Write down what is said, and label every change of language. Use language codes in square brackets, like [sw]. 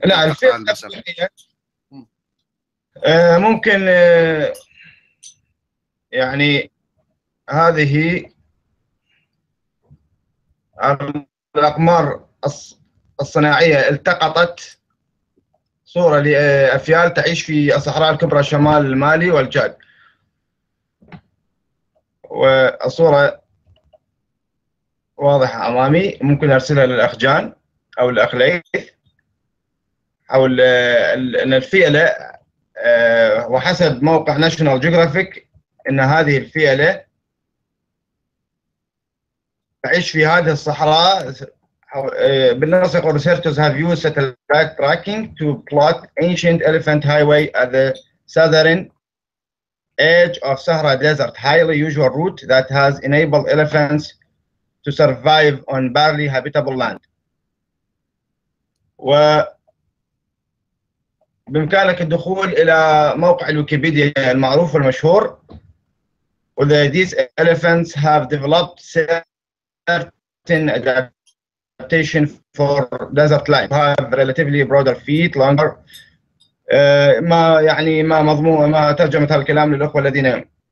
[ar] تقاطع. لا الفيلة الأفريقية ممكن يعني هذه الأقمار الصناعية التقطت صورة لأفيال تعيش في الصحراء الكبرى شمال مالي والجاد، والصورة واضحة أمامي، ممكن أرسلها للأخ جان أو الأخ ليث. أو أن الفيلة وحسب موقع ناشونال جيوغرافيك أن هذه الفيلة تعيش في هذه الصحراء. [en] بالنسبة researchers have used satellite tracking to plot ancient elephant highway at the southern edge of Sahara Desert, highly usual route that has enabled elephants to survive on barely habitable land. [ar] و بإمكانك الدخول إلى موقع الويكيبيديا المعروف والمشهور. [en] These elephants have developed certain adaptation for desert life, have relatively broader feet, longer. [ar] ما يعني ما مضمون ما ترجمة هالكلام للأخوة الذين